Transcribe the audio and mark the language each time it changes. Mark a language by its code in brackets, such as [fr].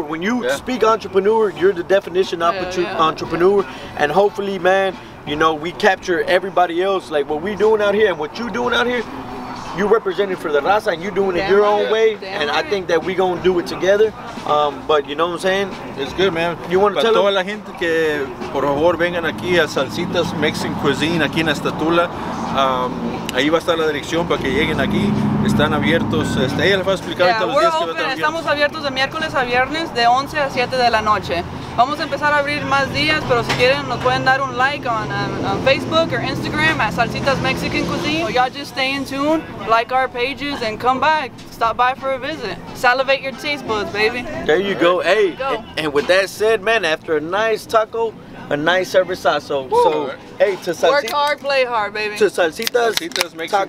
[en] When you speak entrepreneur, you're the definition of entrepreneur. And hopefully, man, you know, we capture everybody else. Like what we're doing out here and what you're doing out here. You represented for the raza and you're doing it your own way. And I think that we're going to do it together. But you know what I'm saying? It's good, man. You want to tell them? [es] Para toda la gente que, por favor, vengan aquí a Salsitas Mexican Cuisine, aquí en ASTATULA. Ahí va a estar la dirección para que lleguen aquí. Están abiertos. Ella les va a explicar todos los días que va a estar abierto. Estamos abiertos de miércoles a viernes de 11 a 7 de la noche. Vamos a empezar a abrir más días, pero si quieren nos pueden dar un like [en] on Facebook or Instagram at [es] Salsitas Mexican Cuisine. [en] So y'all just stay in tune, like our pages, and come back. Stop by for a visit. Salivate your taste buds, baby. There you go. Hey, and with that said, man, after a nice taco, a nice cervezazo. So, hey, to Salsitas. Work hard, play hard, baby. To Salsitas Mexican